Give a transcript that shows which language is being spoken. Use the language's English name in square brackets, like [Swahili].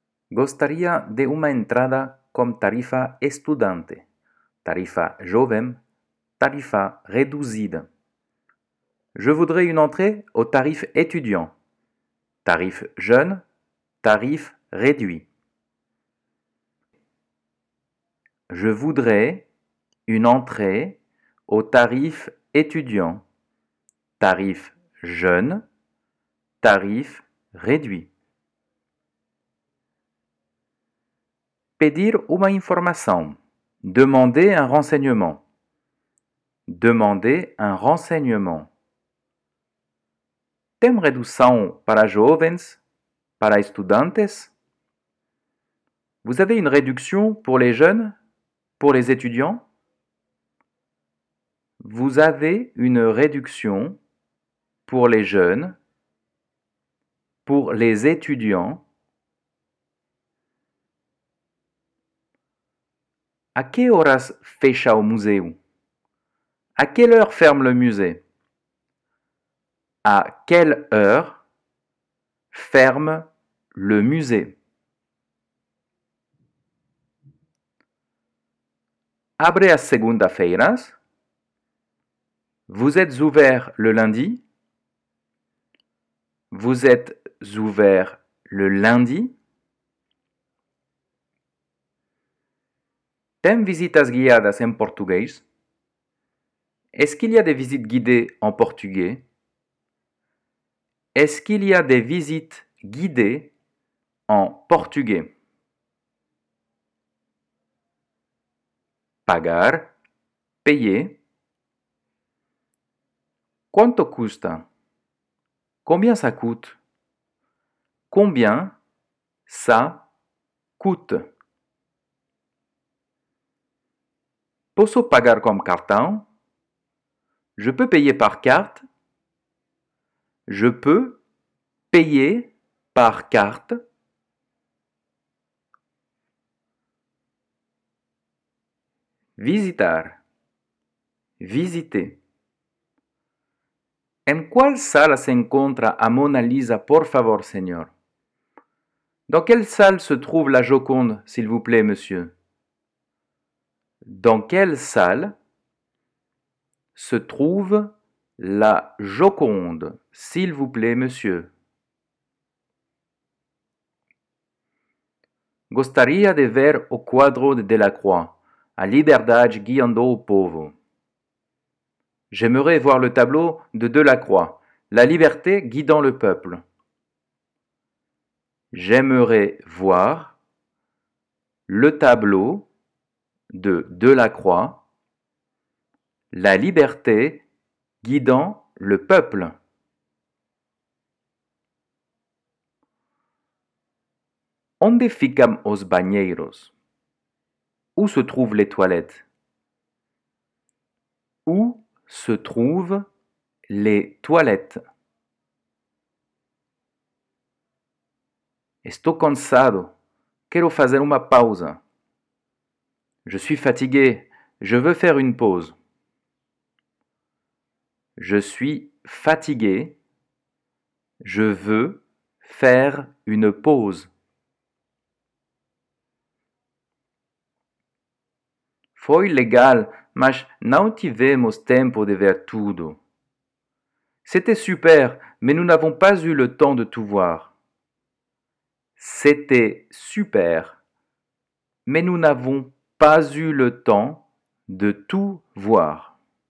[Portuguese] Gostaria de uma entrada com tarifa estudante, tarifa jovem, tarifa reduzida. [French] Je voudrais une entrée au tarif étudiant, tarif jeune, tarif réduit. Je voudrais une entrée au tarif étudiant, tarif jeune, tarif réduit. [Portuguese] Pedir uma informação. [French] Demander un renseignement. Demander un renseignement. [Portuguese] Tem redução para jovens, para estudantes? [French] Vous avez une réduction pour les jeunes, pour les étudiants? Vous avez une réduction pour les jeunes, pour les étudiants? À quelle heure [Portuguese] fecha o museu? [French] À quelle heure ferme le musée? À quelle heure ferme le musée? [Portuguese] Abre às segunda-feiras? [French] Vous êtes ouvert le lundi? Vous êtes ouvert le lundi? [Portuguese] Tem visitas guiadas em português? [French] Est-ce qu'il y a des visites guidées en portugais? Est-ce qu'il y a des visites guidées en portugais? [Portuguese] Pagar, payer. Quanto custa? [French] Combien ça coûte? Combien ça coûte? [Portuguese] Posso pagar com cartão? [French] Je peux payer par carte? Je peux payer par carte? Visitar. Visiter. [Portuguese] Em qual sala se encontra a Mona Lisa, por favor, senhor? [French] Dans quelle salle se trouve la Joconde, s'il vous plaît, monsieur? Dans quelle salle se trouve la Joconde, s'il vous plaît, monsieur? [Portuguese] Gostaria de ver o quadro de Delacroix, A Liberdade guiando o povo. [French] J'aimerais voir le tableau de Delacroix, La Liberté guidant le peuple. J'aimerais voir le tableau de Delacroix, La Liberté guidant le peuple. [Portuguese] Onde ficam os banheiros? [French] Où se trouvent les toilettes? Où se trouvent les toilettes? [Portuguese] Estou cansado. Quero fazer uma pausa. [French] Je suis fatigué. Je veux faire une pause. Je suis fatigué. Je veux faire une pause. [Portuguese] Foi legal, mas não tivemos tempo de ver tudo. [French] C'était super, mais nous n'avons pas eu le temps de tout voir. C'était super, mais nous n'avons pas eu le temps de tout voir.